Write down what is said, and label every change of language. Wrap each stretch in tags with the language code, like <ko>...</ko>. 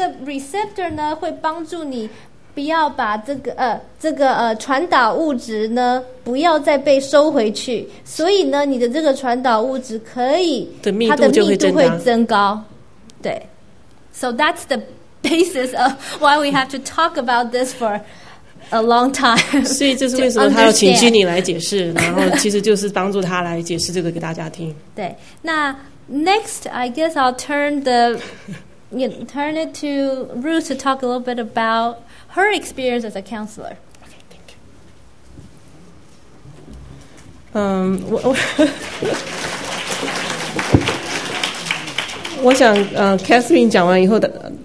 <zh>这个 receptor 呢会帮助你不要把这个传导物质呢不要再被收回去，所以呢你的这个传导物质可以的它的密度会增高。对。</zh> <en>So that's the basis of why we have to talk about this for a long time.</en> <zh>所以这是为什么他要请Ginny来解释，然后其实就是帮助他来解释这个给大家听。对，那</zh> <en>next, I guess I'll turn it to Ruth to talk a little bit about her experience as a counselor. Okay, thank you.</en> <zh>我想Catherine 讲完以后的。</zh>